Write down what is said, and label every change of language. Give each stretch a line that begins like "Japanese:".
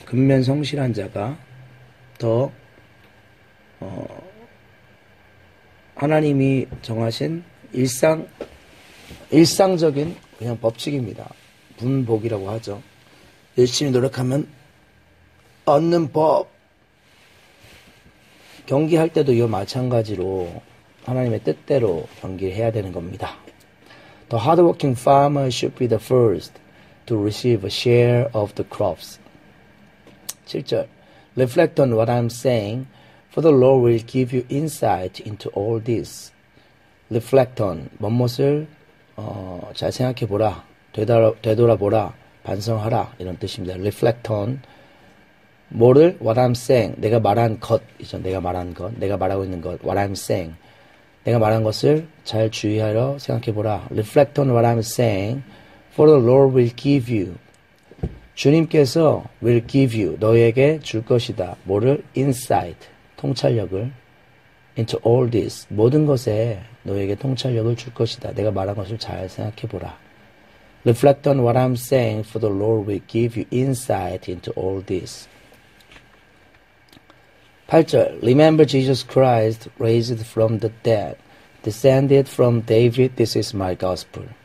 Korean: 근면 성실한 자가 더, 하나님이 정하신 일상적인 그냥 법칙입니다. 분복이라고 하죠. 열심히 노력하면 얻는 법. 경기할 때도 이와 마찬가지로 하나님의 뜻대로 경기를 해야 되는 겁니다.
English: The hardworking farmer should be the first to receive a share of the crops.
Korean: 7절.
English: Reflect on what I'm saying, for the Lord will give you insight into all this. Reflect on,
Korean: 뭣뭣을 잘 생각해 보라, 되돌아 보라, 반성하라 이런 뜻입니다.
English: Reflect on
Korean: 뭐를?
English: What I'm saying,
Korean: 내가 말한 것이죠. 내가 말한 것, 내가 말하고 있는 것.
English: What I'm saying,
Korean: 내가 말한 것을 잘 주의하여 생각해 보라.
English: Reflect on what I'm saying, for the Lord will give you.
Korean: 주님께서
English: will give you,
Korean: 너에게 줄 것이다. 뭐를?
English: insight,
Korean: 통찰력을.
English: into all this,
Korean: 모든 것에 너에게 통찰력을 줄 것이다. 내가 말한 것을 잘 생각해 보라.
English: reflect on what I'm saying, for the Lord will give you insight into all this. 8절, remember Jesus Christ raised from the dead, descended from David, this is my gospel.